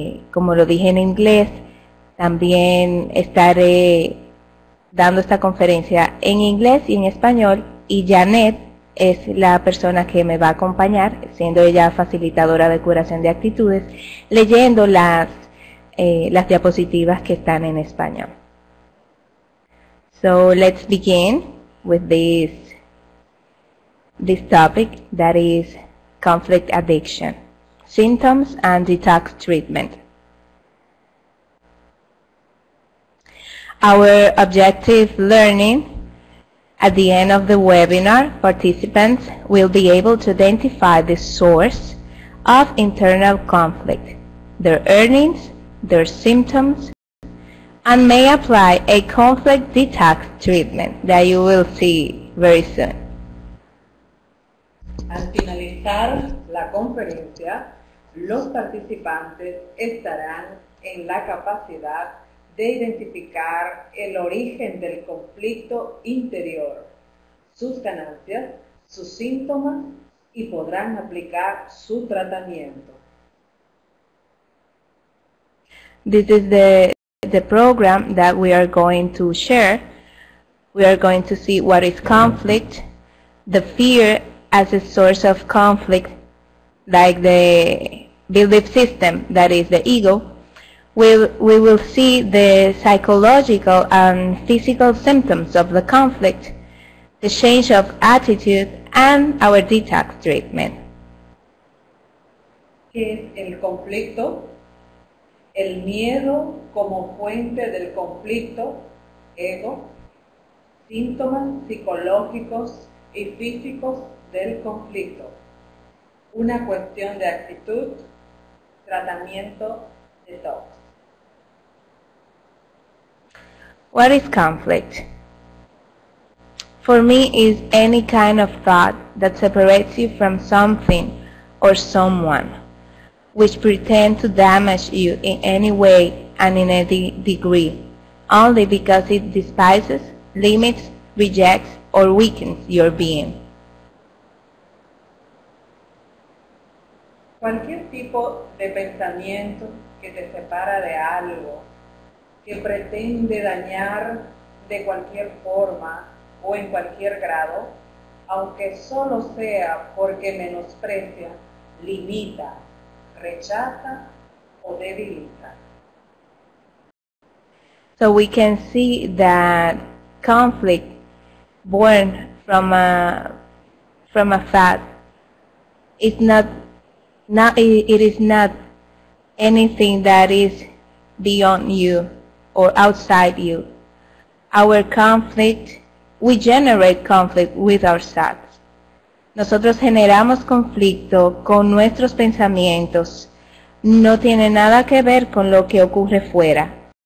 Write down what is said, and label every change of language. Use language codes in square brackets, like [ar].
[es] Como lo dije en inglés, también estaré dando esta conferencia en inglés y en español, y Janet es la persona que me va a acompañar, siendo ella facilitadora de curación de actitudes, leyendo las diapositivas que están en español. [en] So let's begin with this topic, that is conflict addiction, symptoms and detox treatment. Our objective learning at the end of the webinar, participants will be able to identify the source of internal conflict, their earnings, their symptoms, and may apply a conflict detox treatment that you will see very soon. [es] Al finalizar la conferencia, los participantes estarán en la capacidad de identificar el origen del conflicto interior, sus ganancias, sus síntomas y podrán aplicar su tratamiento. [en] This is the program that we are going to share. We are going to see what is conflict, the fear as a source of conflict, like the belief system, that is the ego. We will see the psychological and physical symptoms of the conflict, the change of attitude, and our detox treatment. [es] ¿Qué es el conflicto? El miedo como fuente del conflicto, ego, síntomas psicológicos y físicos del conflicto, una cuestión de actitud, tratamiento detox. [en] What is conflict? For me, is any kind of thought that separates you from something or someone, which pretend to damage you in any way and in any degree, only because it despises, limits, rejects, or weakens your being. [es] Cualquier tipo de pensamiento que te separa de algo, que pretende dañar de cualquier forma o en cualquier grado, aunque solo sea porque menosprecia, limita, rechaza o debilita. [en] So we can see that conflict born from a thought is it is not anything that is beyond you or outside you. Our conflict, we generate conflict with our thoughts. [es] Nosotros generamos conflicto con nuestros pensamientos. No tiene nada que ver con lo que ocurre fuera.